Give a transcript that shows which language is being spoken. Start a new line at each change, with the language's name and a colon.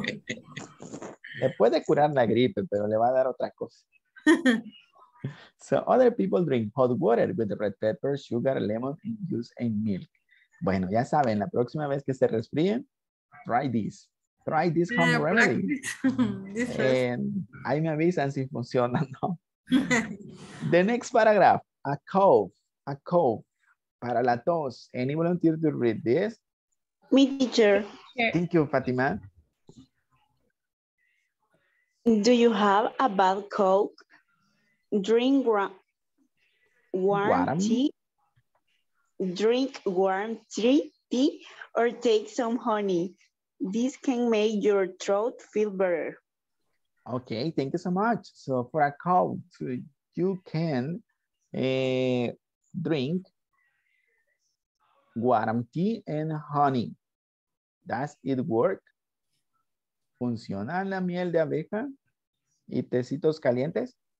Spanish: Le puede curar la gripe, pero le va a dar otra cosa.
English: So other people drink hot water with red pepper, sugar, lemon, and juice and milk.
Spanish: Bueno, ya saben, la próxima vez que se resfríen,
English: try this. Try this home remedy. And
Spanish: ahí me avisan si funciona o no.
English: The next paragraph, a cough,
Spanish: para la tos.
English: Any volunteer to read this? Me, teacher. Thank you, Fatima. Do you have a bad cough? Drink warm tea. Drink warm tea or take some honey. This can make your throat feel better. Okay, thank you so much. So for a cough, you can drink warm tea and honey. Does it work?
Spanish: ¿Funciona la miel de abeja y tecitos calientes?